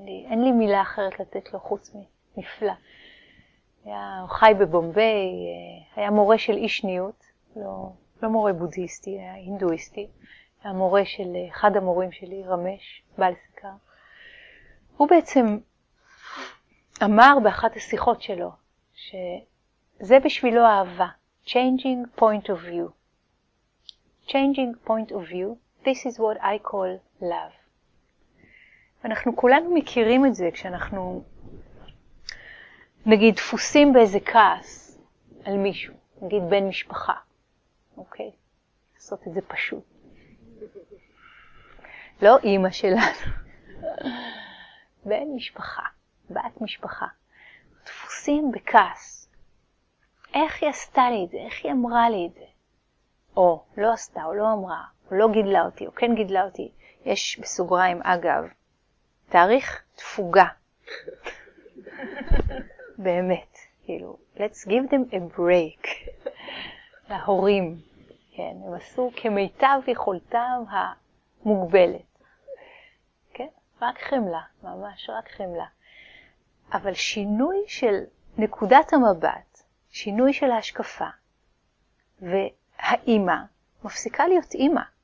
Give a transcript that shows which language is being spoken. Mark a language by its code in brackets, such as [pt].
[he] אין לי מילה אחרת לתת לו חוץ מנפלא. הוא חי בבומביי, היה מורה של אישניות, לא מורה בודהיסטי, היה הינדואיסטי. היה מורה של אחד המורים שלי, רמש, בעל סיכר. הוא בעצם אמר באחת השיחות שלו, שזה בשבילו אהבה. [en] Changing point of view. Changing point of view, this is what I call love. [he] ואנחנו כולנו מכירים את זה כשאנחנו, נגיד, דפוסים באיזה כעס על מישהו, נגיד בן משפחה, אוקיי? לעשות את זה פשוט. לא אמא שלנו. בן משפחה, בת משפחה. דפוסים בכעס. איך היא עשתה לי את זה? איך היא אמרה לי את זה? או לא עשתה, או לא אמרה, או לא גידלה אותי, או כן גידלה אותי. יש בסוגריים, אגב, תאריך תפוגה. באמת, כאילו, [en] let's give them a break. [he] להורים, כן, הם עשו כמיטב יכולתם המוגבלת. כן, רק חמלה, ממש רק חמלה. אבל שינוי של נקודת המבט, שינוי של ההשקפה, והאימא מפסיקה להיות אימא.